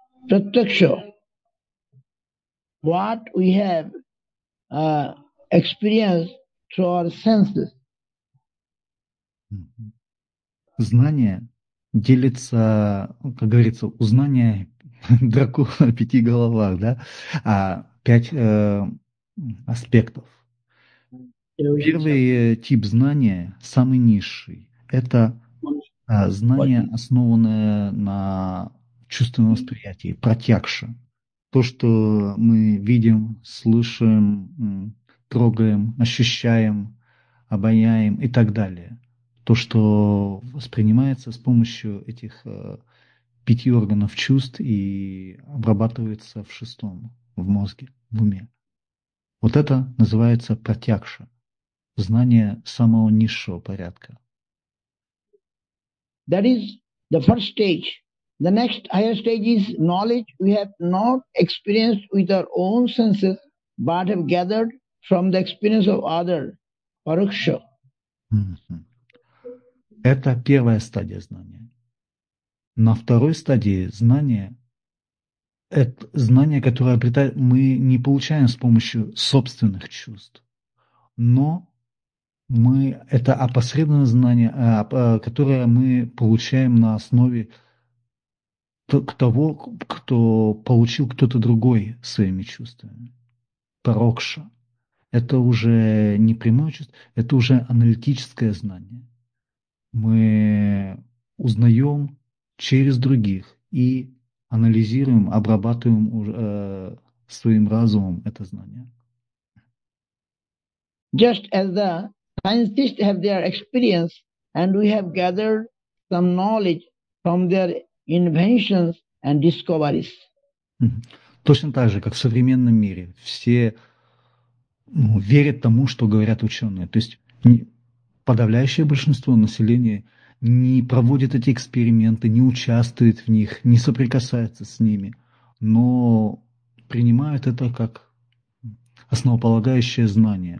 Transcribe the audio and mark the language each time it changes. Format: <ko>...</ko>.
<en>Pratyaksha, what we have experienced through our senses.</en> <ru>Знание делится, как говорится, у знания дракона в пяти головах, да? А пять аспектов. Первый тип знания, самый низший, это знание, основанное на чувственном восприятии, пратьякша. То, что мы видим, слышим, трогаем, ощущаем, обоняем и так далее. То, что воспринимается с помощью этих пяти органов чувств и обрабатывается в шестом, в мозге, в уме. Вот это называется пратьякша, знание самого низшего порядка.</ru> <en>That is the first stage. The next higher stage is knowledge we have not experienced with our own senses, but have gathered from the experience of other, paroksha.</en> <ru>Это первая стадия знания. На второй стадии знания, это знание, которое обретает, мы не получаем с помощью собственных чувств, но мы, это опосредованное знание, которое мы получаем на основе того, кто получил кто-то другой своими чувствами. Парокша. Это уже не прямое чувство, это уже аналитическое знание. Мы узнаем через других и анализируем, обрабатываем своим разумом это знание.</ru> <en>Just as the scientists have their experience and we have gathered some knowledge from their inventions and discoveries.</en> <ru>Точно так же, как в современном мире, все верят тому, что говорят ученые. То есть подавляющее большинство населения не проводит эти эксперименты, не участвует в них, не соприкасается с ними, но принимают это как основополагающее знание.</ru>